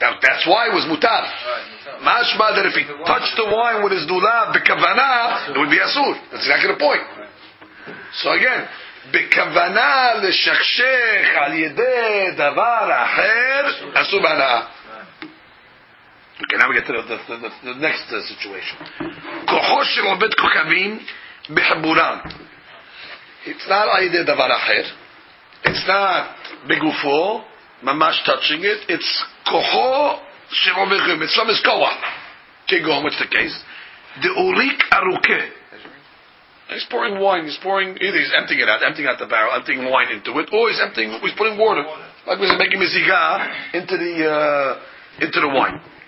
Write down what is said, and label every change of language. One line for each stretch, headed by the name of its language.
English: That's why it was mutar. Mashma that if he touched the wine with his lulav bekavanah, it would be asur. That's exactly the point. So again,
Hebrew: בכוונה לשכשך על ידי דבר אחר עשו בהנאה.
English: Okay, now we get to the next situation.
Hebrew: כוחו של עובד כוכבים בחבורם.
English: It's not
Hebrew: על ידי דבר אחר.
English: It's not
Hebrew: בגופו ממש
English: touching it.
Hebrew: It's כוחו של עובד כוכבים.
English: It's from his כוח. כגון, what's the case?
Hebrew: דאוריק ארוכה.
English: He's pouring wine. He's pouring, either he's emptying out the barrel, emptying wine into it, or he's putting water. Like we said, making a ziga into the into the wine.